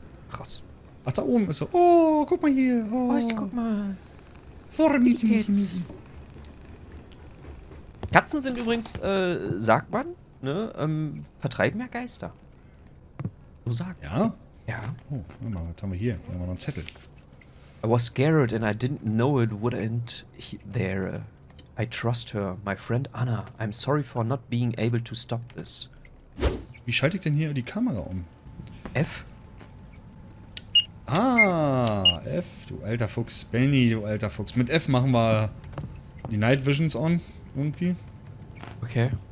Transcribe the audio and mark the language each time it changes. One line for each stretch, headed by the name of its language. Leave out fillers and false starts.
German: Krass. Ach, da oben ist er. Oh, guck mal hier. Oh, ich guck mal. Vor mich jetzt. Katzen sind übrigens, sagt man, ne, vertreiben ja Geister. So sagt ja? Man. Ja? Ja. Oh, warte mal, was haben wir hier? Wir haben noch einen Zettel.
English: I was scared and I didn't know it would end there. I trust her, my friend Anna. I'm sorry for not being able to stop this.
German: Wie schalte ich denn hier die Kamera um? F. Ah, F, du alter Fuchs. Benny, du alter Fuchs. Mit F machen wir die Night Visions on, irgendwie. Okay.